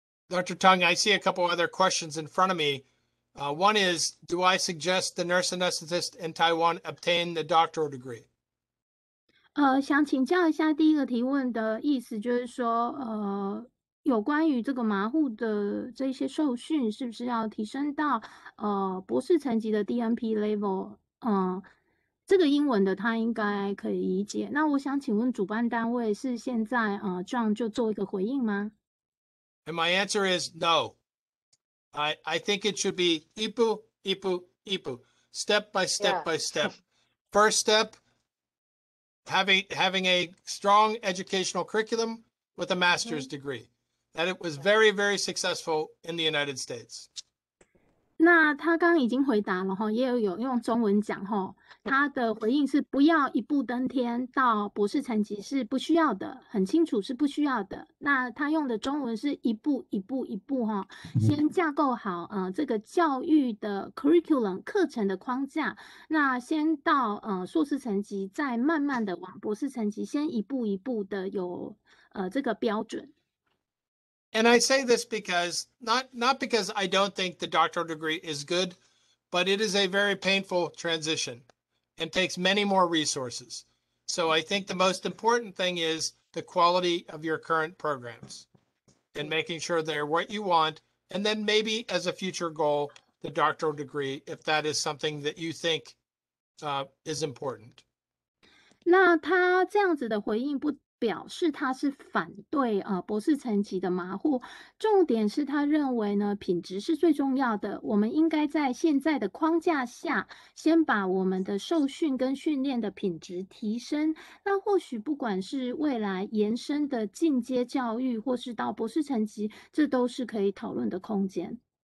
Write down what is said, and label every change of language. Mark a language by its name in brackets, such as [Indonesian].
[English] Dr. Tung, I see a couple other questions in front of me. One is, do I suggest the nurse anesthetist in Taiwan obtain the doctoral degree? [Chinese] 想请教一下第一个提问的意思就是说，有关于这个麻护的这些受训，是不是要提升到博士层级的 DNP level？这个英文的他应该可以理解。那我想请问主办单位是现在John 就做一个回应吗 [English] ？And my answer is no. I think it should be [Chinese] 一步一步一步 [English] ，step by step by step. First step, having a strong educational curriculum with a master's degree. And it was very, very successful in the United States. [Chinese] 那他刚刚已经回答了，也有用中文讲，他的回应是不要一步登天，到博士层级是不需要的，很清楚是不需要的。那他用的中文是一步一步一步，先架构好这个教育的 curriculum 课程的框架，那先到硕士层级，再慢慢的往博士层级，先一步一步的有这个标准。 [English] And I say this because not because I don't think the doctoral degree is good, but it is a very painful transition and takes many more resources. So I think the most important thing is the quality of your current programs and making sure they're what you want. And then maybe as a future goal, the doctoral degree, if that is something that you think is important. [Chinese] 那他这样子的回应不表示他是反对博士层级的麻护，重点是他认为呢品质是最重要的，我们应该在现在的框架下先把我们的受训跟训练的品质提升，那或许不管是未来延伸的进阶教育或是到博士层级，这都是可以讨论的空间。